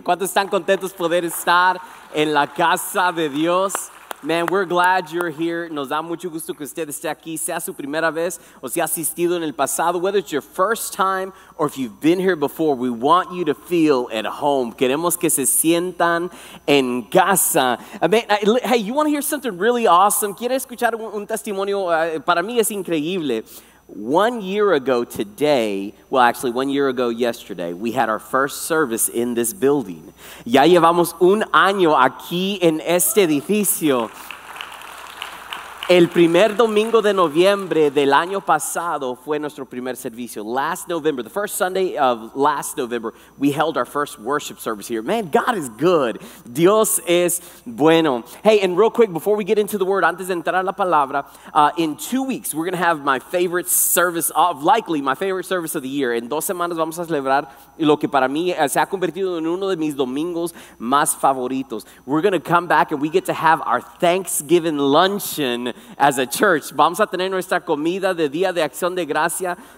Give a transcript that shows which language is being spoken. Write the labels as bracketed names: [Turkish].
[Spanish] ¿Cuántos están contentos poder estar en la casa de Dios? [English] Man, we're glad you're here. [Spanish] Nos da mucho gusto que usted esté aquí, sea su primera vez o si ha asistido en el pasado. [English] Whether it's your first time or if you've been here before, we want you to feel at home. [Spanish] Queremos que se sientan en casa. [English] Hey, you want to hear something really awesome? [Spanish] ¿Quiere escuchar un testimonio? Para mí es increíble. [English] 1 year ago today, well, actually, 1 year ago yesterday, we had our first service in this building. [Spanish] Ya llevamos un año aquí en este edificio. El primer domingo de noviembre del año pasado fue nuestro primer servicio. [English] Last November, the first Sunday of last November, we held our first worship service here. Man, God is good. [Spanish] Dios es bueno. [English] Hey, and real quick, before we get into the word, [Spanish] antes de entrar a la palabra, [English] in 2 weeks, we're going to have my favorite service of the year. [Spanish] En dos semanas vamos a celebrar lo que para mí se ha convertido en uno de mis domingos más favoritos. [English] We're going to come back and we get to have our Thanksgiving luncheon. As a church, [Spanish] vamos a tener nuestra comida de Día de Acción de Gracia.